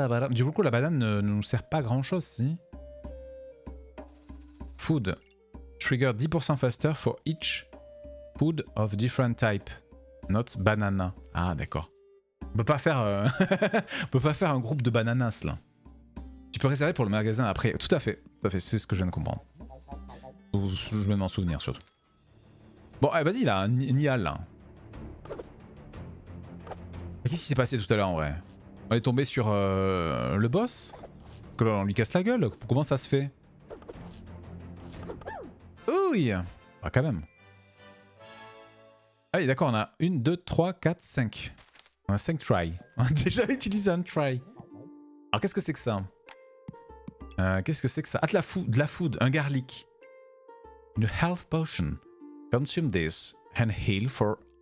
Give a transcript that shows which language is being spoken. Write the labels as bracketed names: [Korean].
[French] Du coup, la banane ne nous sert pas grand-chose, si. [English] Food. Trigger 10% faster for each food of different type. Not banana. [French] Ah, d'accord. On peut pas faire, on peut pas faire un groupe de bananas, là. Tu peux réserver pour le magasin après. Tout à fait. Tout à fait, c'est ce que je viens de comprendre. Ou je viens de m'en souvenir, surtout. Bon, allez, vas-y, là. Nial, là. Qu'est-ce qui s'est passé tout à l'heure, en vrai? On est tombé sur le boss? Que l'on lui casse la gueule? Comment ça se fait? Ouh! Bah, quand même. Allez, d'accord, on a 1, 2, 3, 4, 5. On a 5 tries. On a déjà utilisé un try. Alors, qu'est-ce que c'est que ça? Qu'est-ce que c'est que ça? Ah, de la food, un garlic. Une health potion. [English] Consume this and heal for.